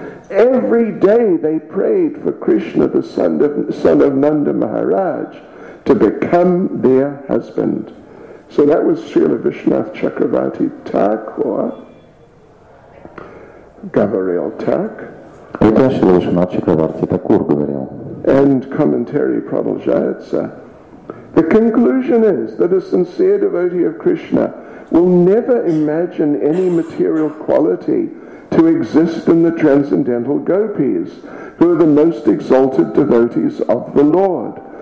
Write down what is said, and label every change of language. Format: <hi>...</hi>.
<en>Every day they prayed for Krishna, the son of Nanda Maharaj, to become their husband. So that was Srila Vishnath Chakravarti Thakur, Gavaril Thak.</en> <ru>Это Шри Вишнат Чакраварти Такур говорил.</ru> <en>And commentary Pradhajayatsa. The conclusion is that a sincere devotee of Krishna will never imagine any material quality to exist in the transcendental gopis, who are the most exalted devotees of the Lord.</en>